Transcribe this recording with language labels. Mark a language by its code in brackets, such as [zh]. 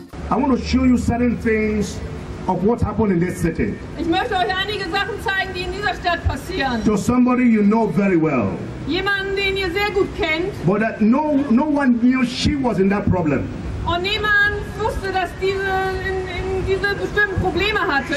[en] I want to show you certain things of what happened in this city. [de] Ich möchte euch einige Sachen zeigen, die in dieser Stadt passieren. [en] To somebody you know very well. [de] Jemanden, den ihr sehr gut kennt. [en] But that no one knew she was in that problem. [de] Und niemand wusste, dass diese in diese bestimmten Probleme hatte.